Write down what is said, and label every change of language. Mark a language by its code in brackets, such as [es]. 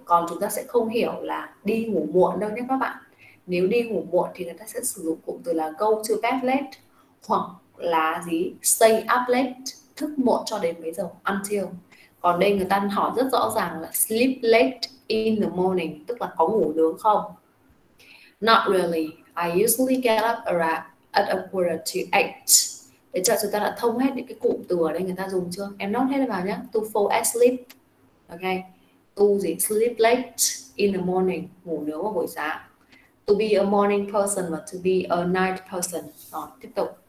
[vi] Còn chúng ta sẽ không hiểu là đi ngủ muộn đâu nhé các bạn. Nếu đi ngủ muộn thì người ta sẽ sử dụng cụm từ là [en] go to bed late, [vi] hoặc là gì? [en] Stay up late, [vi] thức muộn cho đến mấy giờ, until. Còn đây người ta hỏi rất rõ ràng là [en] sleep late in the morning, [vi] tức là có ngủ nướng không? [en] Not really, I usually get up around at a quarter to eight. [vi] Để cho chúng ta đã thông hết những cái cụm từ ở đây người ta dùng chưa? Em note hết vào nhé. [en] To fall asleep, ok. [vi] To gì? [en] Sleep late in the morning, [vi] ngủ nướng vào buổi sáng. [en] To be a morning person và to be a night person. [vi] Rồi, tiếp tục.